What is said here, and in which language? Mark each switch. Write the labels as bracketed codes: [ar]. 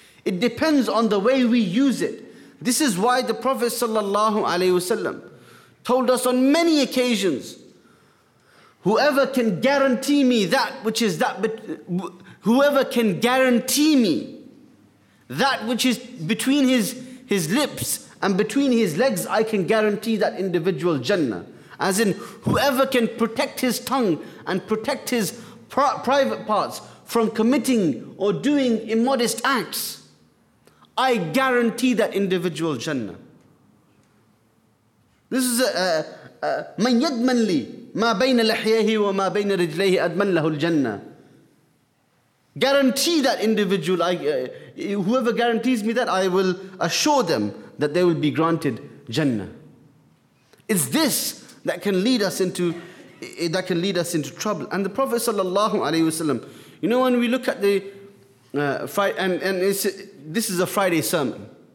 [en] It depends on the way we use it. This is why the Prophet sallallahu alaihi wasallam told us on many occasions, whoever can guarantee me that which is that, whoever can guarantee me that which is between his lips and between his legs, I can guarantee that individual Jannah. As in, whoever can protect his tongue and protect his private parts from committing or doing immodest acts, I guarantee that individual Jannah. This is [ar] من يضمن لي ما بين لحيه وما بين رجليه أضمن له الجنة. [en] guarantee that individual, whoever guarantees me that, I will assure them that they will be granted Jannah. It's this that can lead us into trouble. And the Prophet sallallahu alaihi wasallam, you know, when we look at the this is a Friday sermon.